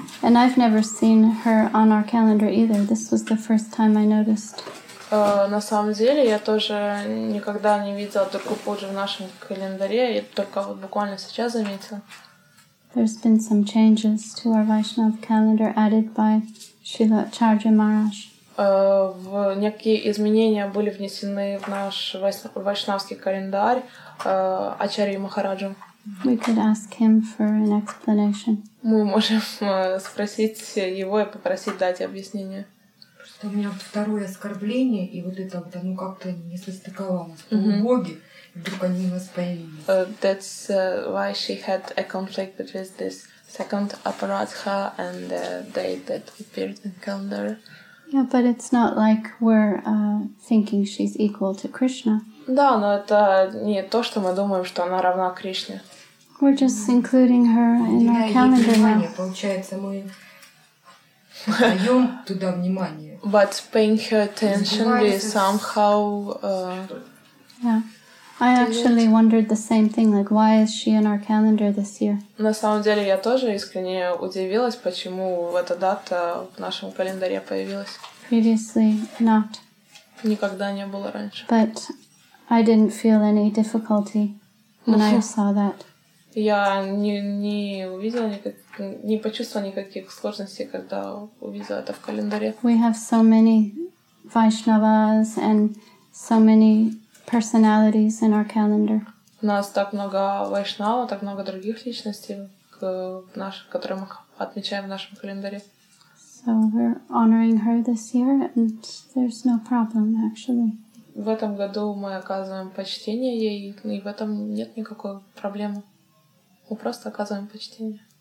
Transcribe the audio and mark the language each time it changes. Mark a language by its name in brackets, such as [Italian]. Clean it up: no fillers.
[English] And I've never seen her on our calendar either. This was the first time I noticed. [Russian] На самом деле, я тоже никогда не видела Дургу Пуджи в нашем календаре, и только вот буквально сейчас заметила. [English] There's been some changes to our Vaishnav calendar added by Srila Acharya Maharaj. [Russian] Некие изменения были внесены в наш вайшнавский календарь Ачарьей Махараджем. [English] We could ask him for an explanation. [Russian] Мы можем спросить его и попросить дать объяснение. Просто у меня второе оскорбление, и вот это вот оно как-то не состыковалось. Mm-hmm. Боги, и вдруг они у нас появились. [English] That's why she had a conflict between this second aparadha and the date that appeared in calendar. Yeah, but it's not like we're thinking she's equal to Krishna. [Russian] Да, но это не то, что мы думаем, что она равна Кришне. [English] We're just including her in our calendar now. [Russian] Получается, мы даем туда внимание. [English] But paying her attention is somehow... I actually wondered the same thing, like, why is she in our calendar this year? [Russian] На самом деле, я тоже искренне удивилась, почему эта дата в нашем календаре появилась. [English] Previously not. [Russian] Никогда не было раньше. [English] But I didn't feel any difficulty when I saw that. [Russian] Я не увидела не почувствовала никаких сложностей, когда увидела это в календаре. [English] We have so many Vaishnavas and so many personalities in our calendar. [Russian] У нас так много вайшнава, так много других личностей, которые мы отмечаем в нашем календаре. [English] So we're honoring her this year, and there's no problem actually. [Russian] В этом году мы оказываем почтение ей, и в этом нет никакой проблемы. Мы просто оказываем почтение.